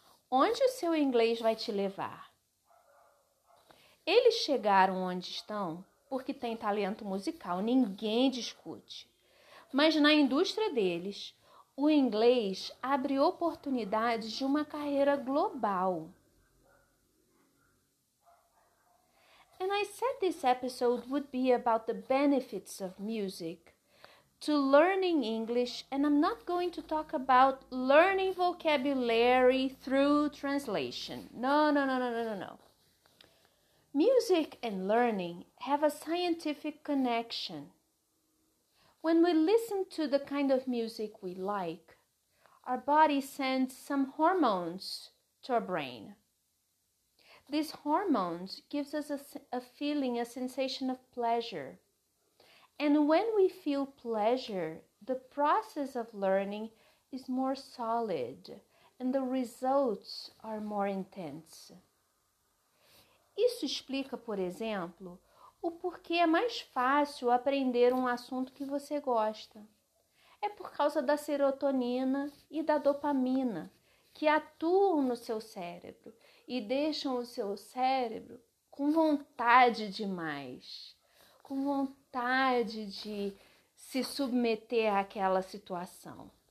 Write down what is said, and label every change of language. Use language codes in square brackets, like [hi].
[pt] Onde o seu inglês vai te levar? Eles chegaram onde estão? Porque tem talento musical, ninguém discute. Mas na indústria deles, o inglês abre oportunidades de uma carreira global. [en] And I said this episode would be about the benefits of music to learning English, and I'm not going to talk about learning vocabulary through translation. No. Music and learning have a scientific connection. When we listen to the kind of music we like, our body sends some hormones to our brain. These hormones give us a feeling, a sensation of pleasure. And when we feel pleasure, the process of learning is more solid and the results are more intense. [pt] Isso explica, por exemplo, o porquê é mais fácil aprender um assunto que você gosta. É por causa da serotonina e da dopamina, que atuam no seu cérebro e deixam o seu cérebro com vontade demais, com vontade de se submeter àquela situação.